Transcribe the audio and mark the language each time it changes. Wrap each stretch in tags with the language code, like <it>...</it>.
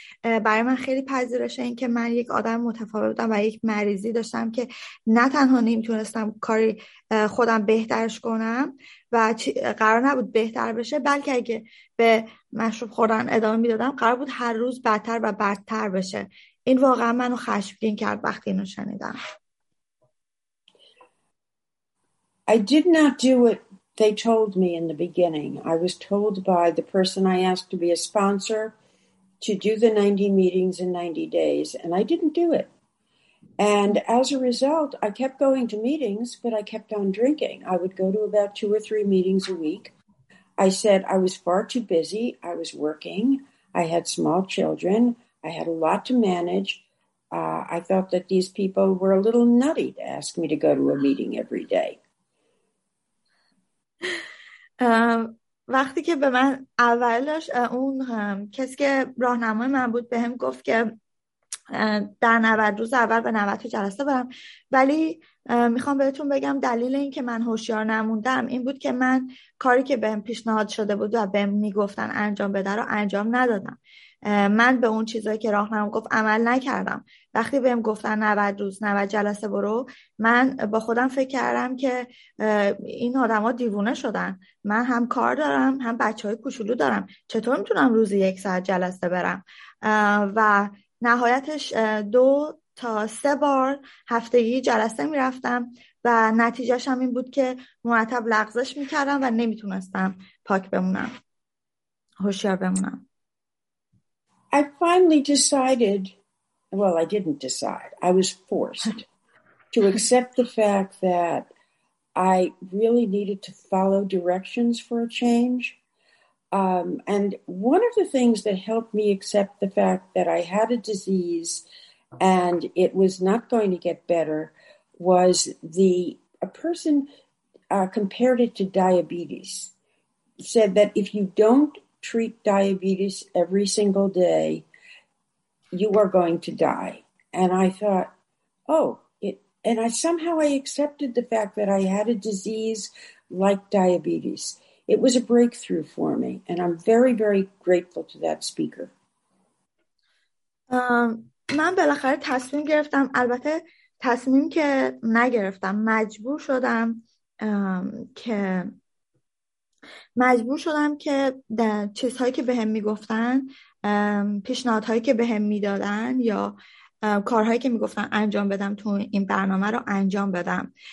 <fa>برای من خیلی پذیرش این که من یک آدم متفاوت بودم و یک مریضی داشتم که نه تنها نمیتونستم کاری خودم بهترش کنم و قرار نبود بهتر بشه، بلکه اگه به مشروب خوردن ادامه میدادم قرار بود هر روز بدتر و بدتر بشه. این واقعا منو خشمگین کرد وقتی اینو شنیدم.</fa> <en>I did not do what they told me in the beginning. I was told by the person I asked to be a sponsor to do the 90 meetings in 90 days, and I didn't do it. And as a result, I kept going to meetings, but I kept on drinking. I would go to about 2 or 3 meetings a week. I said I was far too busy. I was working. I had small children. I had a lot to manage. I thought that these people were a little nutty to ask me to go to a meeting every day.</en> <fa>وقتی که به من اولش اون کسی که راهنمای من بود بهم گفت که در 90 روز اول به 90 جلسه برم، ولی میخوام بهتون بگم دلیل این که من هوشیار نموندم این بود که من کاری که بهم پیشنهاد شده بود و بهم میگفتن انجام بده رو انجام ندادم. من به اون چیزایی که راهنما گفت عمل نکردم. وقتی بهم گفتن 90 روز 90 جلسه برو، من با خودم فکر کردم که این آدما دیوونه شدن، من هم کار دارم هم بچهای کوچولو دارم، چطور میتونم روزی یک ساعت جلسه برم؟ و نهایتش 2 تا 3 بار هفتگی جلسه میرفتم و نتیجهش هم این بود که مرتب لغزش میکردم و نمیتونستم پاک بمونم، هوشیار بمونم.</fa> <en>I finally decided, well, I didn't decide. I was forced to accept the fact that I really needed to follow directions for a change. And one of the things that helped me accept the fact that I had a disease and it was not going to get better was a person compared it to diabetes, said that if you don't treat diabetes every single day, you are going to die. And I thought, oh, I accepted the fact that I had a disease like diabetes. It was a breakthrough for me. And I'm very, very grateful to that speaker.</en> <fa>من بالاخره تصمیم گرفتم، البته تصمیم که نگرفتم، مجبور شدم که چیزهایی که بهم میگفتن، پیشنهادهایی که بهم میدادن یا کارهایی که میگفتن انجام بدم تو این برنامه رو انجام بدم.</fa>